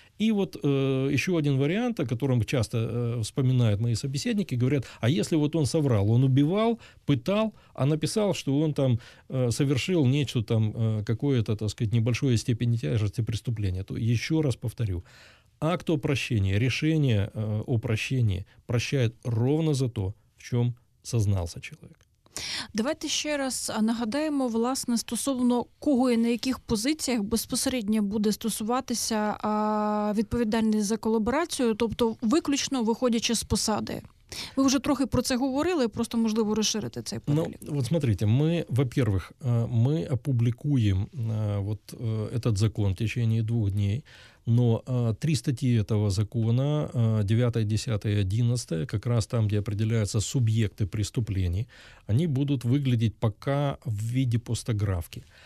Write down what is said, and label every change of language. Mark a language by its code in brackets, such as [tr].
[ru] И вот еще один вариант, о котором часто вспоминают мои собеседники, говорят, а если вот он соврал, он убивал, пытал, а написал, что он там совершил нечто там, какое-то, так сказать, небольшое степени тяжести преступления, то еще раз повторю, акт о прощении, решение о прощении прощает ровно за то, в чем сознался человек. [uk] Давайте ще раз нагадаємо, власне, стосовно кого і на яких позиціях безпосередньо буде стосуватися відповідальність за колаборацію, тобто виключно виходячи з посади. Ви вже трохи про це говорили, просто можливо розширити цей перелік. [ru] Ну, от смотрите, ми, во-первых, ми опублікуємо вот этот закон в течение 2 днів. Но 3 статьи этого закона, 9, 10 и 11, как раз там, где определяются субъекты преступлений, они будут выглядеть пока в виде постографки.